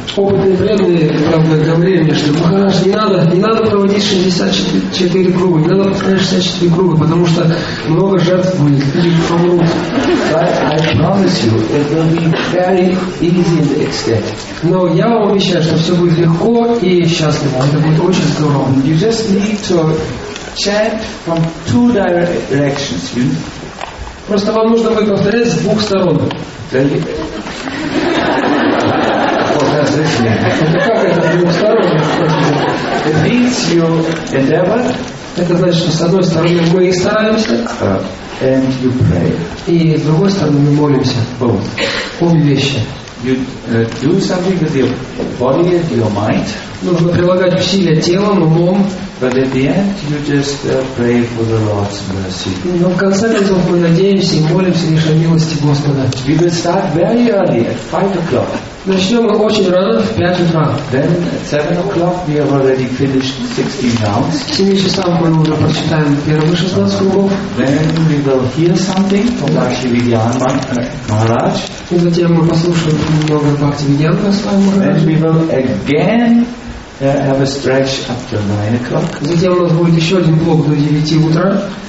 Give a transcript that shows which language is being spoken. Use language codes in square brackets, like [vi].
[ru] Опытные преданные, правда, говорили мне, что Махарадж, не надо проводить 64 круга, не надо повторять 64 круга, потому что много жертв будет, люди помрут. [en] I promise you, it will be very easy and extended. [ru] Но я вам обещаю, что все будет легко и счастливо. Это будет очень здорово. [en] You just need to chant from two directions. You know? [ru] Просто вам нужно будет повторять с двух сторон. Как это с двух сторон? [en] It means you endeavor. [ru] Это значит, что с одной стороны мы и стараемся. [en] And you pray. [ru] И с другой стороны мы молимся. [en] Both. [ru] Обе вещи. [en] You do something with your body and your mind. [ru] Нужно прилагать усилия телом, умом. [en] But at the end, you just pray for the Lord's mercy. [ru] Но в конце концов мы надеемся и молимся лишь о милости Господа. [en] We will start very early at 5 o'clock. [ru] Начнем мы очень рано в 5 утра. [en] Then at 7 o'clock we have already finished 16 rounds. [ru] К 7 часам мы уже прочитаем первые 16 кругов. [en] Then we will hear something from Bhaktivedanta Maharaj. [ru] И затем мы послушаем немного Бхактивиданта Свами Махараджа. [en] And we will again have a stretch up to 9 o'clock. [ru] Затем у нас будет еще один блок до 9 утра.